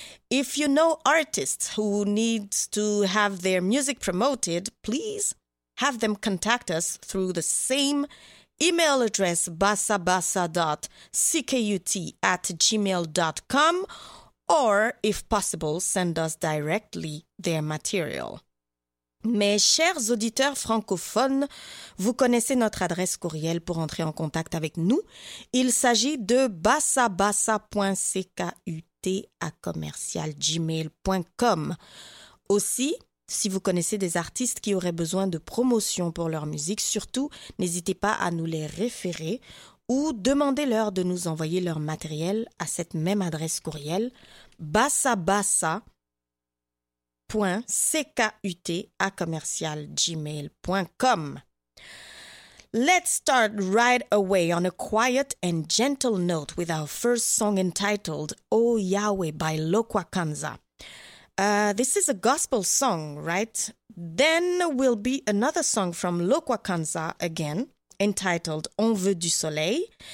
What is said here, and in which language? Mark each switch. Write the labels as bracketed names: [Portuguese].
[English] If you know artists who need to have their music promoted, please have them contact us through the same email address, bassabassa.ckut@gmail.com, or if possible, send us directly their material. [French] Mes chers auditeurs francophones, vous connaissez notre adresse courriel pour entrer en contact avec nous. Il s'agit de bassabassa.ckut@gmail.com. Aussi, si vous connaissez des artistes qui auraient besoin de promotion pour leur musique, surtout, n'hésitez pas à nous les référer ou demandez-leur de nous envoyer leur matériel à cette même adresse courriel, bassabassa.ckut@gmail.com. [English] Let's start right away on a quiet and gentle note with our first song entitled O Yahweh by Lokwa Kanza. This is a gospel song, right? Then will be another song from Lokwa Kanza again, entitled On veut du soleil.